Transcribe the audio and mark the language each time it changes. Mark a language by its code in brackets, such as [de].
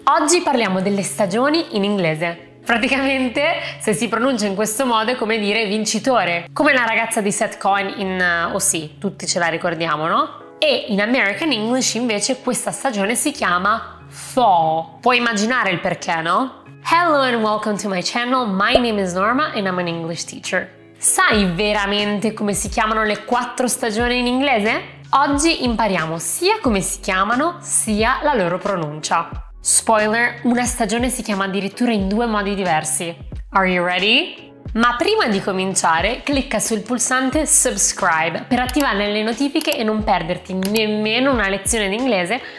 [it] Oggi parliamo delle stagioni in inglese. Praticamente, se si pronuncia in questo modo, è come dire vincitore. Come la ragazza di Seth Cohen in OC, tutti ce la ricordiamo, no? E in American English, invece, questa stagione si chiama Fall. Puoi immaginare il perché, no? [en] Hello and welcome to my channel. My name is Norma and I'm an English teacher. [it] Sai veramente come si chiamano le quattro stagioni in inglese? Oggi impariamo sia come si chiamano, sia la loro pronuncia. Spoiler, una stagione si chiama addirittura in due modi diversi. [en] Are you ready? [it] Ma prima di cominciare, clicca sul pulsante subscribe per attivare le notifiche e non perderti nemmeno una lezione di inglese.